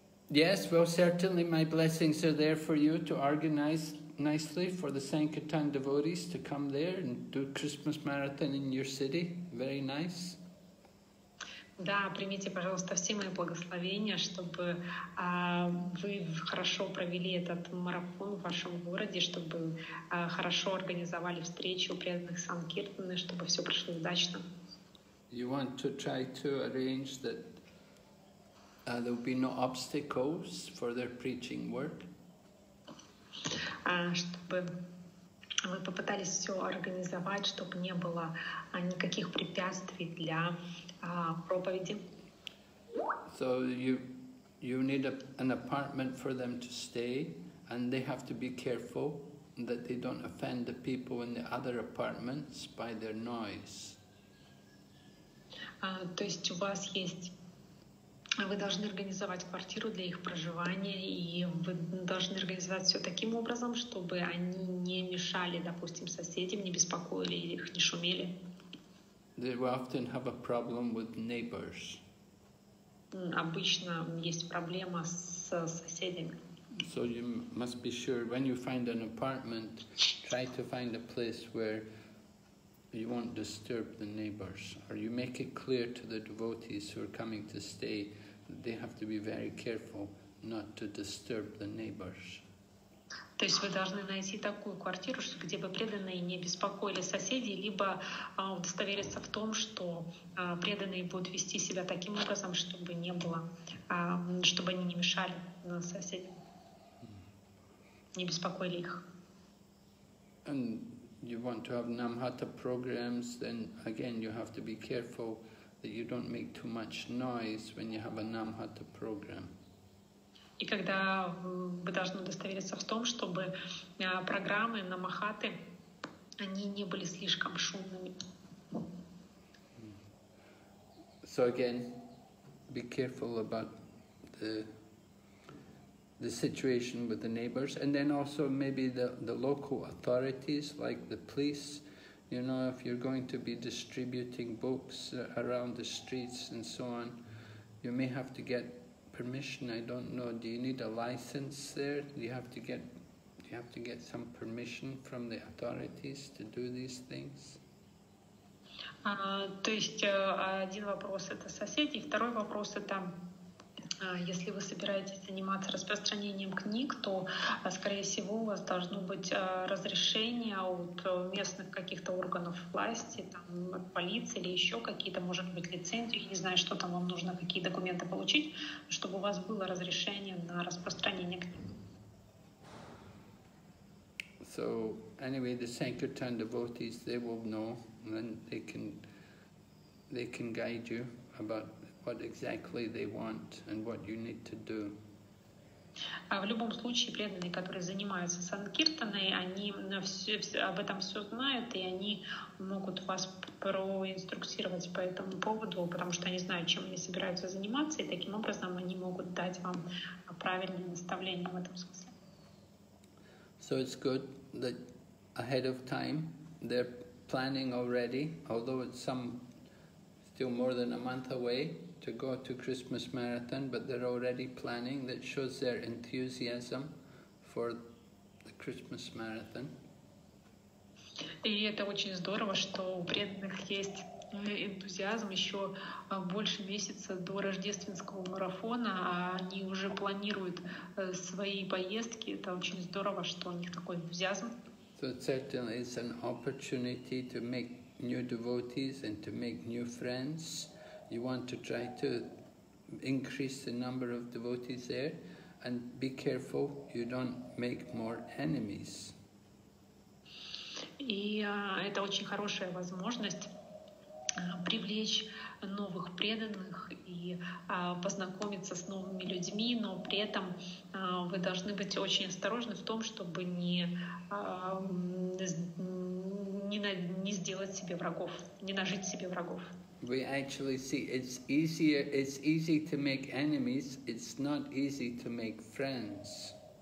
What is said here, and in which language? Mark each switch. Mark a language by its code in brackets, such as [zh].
[en] Yes, well, certainly my blessings are there for you to organize nicely for the Sankirtan devotees to come there and do Christmas marathon in your city. Very nice. [ru] Да, примите, пожалуйста, все мои благословения, чтобы вы хорошо провели этот марафон в вашем городе, чтобы хорошо организовали встречи у преданных санкиртаны, чтобы все прошло удачно. [en] You want to try to arrange that there will be no obstacles for their preaching work? [ru] Чтобы мы попытались все организовать, чтобы не было никаких препятствий для проповеди. [en] So you need an apartment for them to stay, and they have to be careful that they don't offend the people in the other apartments by their noise. [ru] То есть у вас есть, вы должны организовать квартиру для их проживания, и вы должны организовать все таким образом, чтобы они не мешали, допустим, соседям, не беспокоили их, не шумели. [en] They will often have a problem with neighbors. [ru] Обычно есть проблема с соседями. [en] So you must be sure when you find an apartment, try to find a place where you won't disturb the neighbors, or you make it clear to the devotees who are coming to stay that they have to be very careful not to disturb the neighbors. [ru] То есть вы должны найти такую квартиру, где бы преданные не беспокоили соседей, либо удостовериться в том, что преданные будут вести себя таким образом, чтобы не было, чтобы они не мешали соседям, не беспокоили их. [en] And you want to have Namhata programs, then again you have to be careful that you don't make too much noise when you have a Namhata program. [ru] И когда вы должны удостовериться в том, чтобы программы на Махаты, они не были слишком шумными. [en] So again, be careful about the situation with the neighbors, and then also maybe the local authorities, like the police. You know, if you're going to be distributing books around the streets and so on, you may have to get permission. I don't know. Do you need a license there? Do you have to get some permission from the authorities to do these things? [ru] То есть один вопрос это соседи, второй вопрос это если вы собираетесь заниматься распространением книг, то скорее всего у вас должно быть разрешение от местных каких-то органов власти, там от полиции или еще какие-то, может быть, лицензию. Я не знаю, что там вам нужно, какие документы получить, чтобы у вас было разрешение на распространение книг. [en] So anyway, the Sankirtan devotees, they will know, and they can guide you about what exactly they want and what you need to do. [ru] В любом случае, преданные, которые занимаются санкиртаной, они об этом все знают, и они могут вас проинструктировать по этому поводу, потому что они знают, чем они собираются заниматься, и таким образом они могут дать вам правильное наставление в этом смысле. [en] So it's good that ahead of time they're planning already, although it's some still more than a month away, to go to Christmas marathon, but they're already planning. That shows their enthusiasm for the Christmas marathon. [ru] И это очень здорово, что у преданных есть энтузиазм еще больше месяца до рождественского марафона, а они уже планируют свои поездки. Это очень здорово, что у них такой энтузиазм. [en] So certainly it's an opportunity to make new devotees and to make new friends. You want to try to increase the number of devotees there, and be careful you don't make more enemies. [ru] И это очень хорошая возможность привлечь новых преданных и познакомиться с новыми людьми, но при этом вы должны быть очень осторожны в том, чтобы не сделать себе врагов, не нажить себе врагов. [en] We actually see it's easy to make enemies, it's not easy to make friends.